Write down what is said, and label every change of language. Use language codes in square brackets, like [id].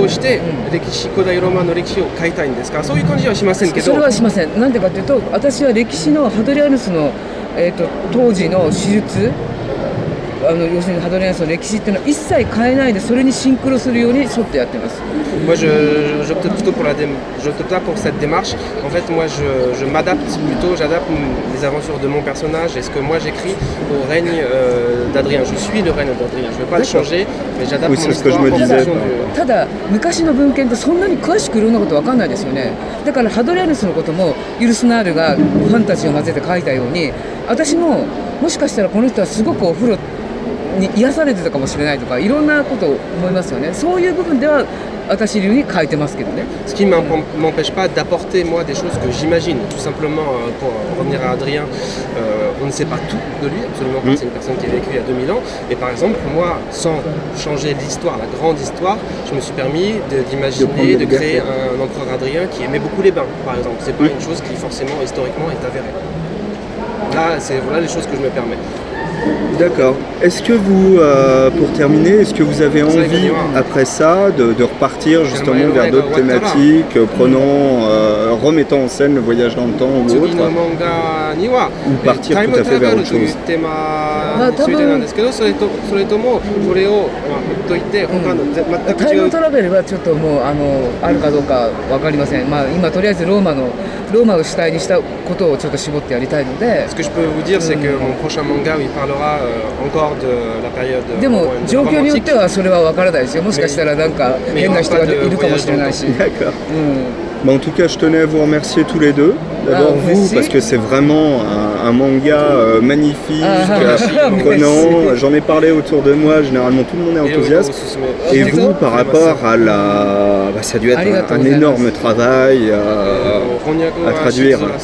[ja] を通して、うんうん、歴史古代ローマの歴史を変えたいんですか。そういう感じはしませんけど、それはしません。なんでかというと、私は歴史のハドリアヌスの、当時の手術、あの要するにハドリアヌスの歴史っていうのは一切変えないで、それにシンクロするように沿ってやってます。 [fr] Moi, je opte plutôt pour la je opte pas pour cette démarche. En fait, moi, je m'adapte plutôt. J'adapte les aventures de mon personnage et ce que moi j'écris au règne d'Adrien. Je suis le règne d'Adrien. Je ne veux pas le changer, mais j'adapte mon histoire. Oui, c'est ce que je me disais. [ja] ただ昔の文献ってそんなに詳しくいろんなことわかんないですよね。だからハドリアヌスのこともユルスナールがファンタジーを混ぜて書いたように、私ももしかしたらこの人はすごくお風呂に癒されてたかもしれないとか、いろんなことを思いますよね。そういう部分では私流に変えてますけどね。 [fr] Ce qui m'empêche pas d'apporter moi des choses que j'imagine. Tout simplement pour revenir à Adrien, on ne sait pas tout de lui, absolument pas. C'est une personne qui a vécu il y a 2000 ans. Et par exemple, moi, sans changer l'histoire, la grande histoire, je me suis permis d'imaginer, de créer un empereur Adrien qui aimait beaucoup les bains, par exemple. C'est pas une chose qui forcément historiquement est avérée. Là, c'est voilà les choses que je me permets. D'accord. Est-ce que vous, pour terminer, est-ce que vous avez envie, après ça, de repartir justement vers d'autres thématiques, prenant, remettant en scène le voyage dans le temps ou autre, ou partir tout à fait vers autre chose ? [ja] Time travel はちょっともう あるかどうか分かりません。まあ今とりあえずローマを主体にしたことをちょっと絞ってやりたいので。 [fr] Ce que je peux vous dire, c'est que mon prochain manga, il parlera encore de la période. [ja] でも状況によってはそれは分からないですよ。もしかしたらなんか変な人がいるかもしれないし。 [fr] D'accord. Mais en tout cas, je tenais à vous remercier tous les deux. D'abord vous, parce que c'est vraiment un manga magnifique, prenant. J'en ai parlé autour de moi, généralement tout le monde est enthousiaste. Et vous, par rapport à la... Bah, ça a dû être un énorme travail à traduire.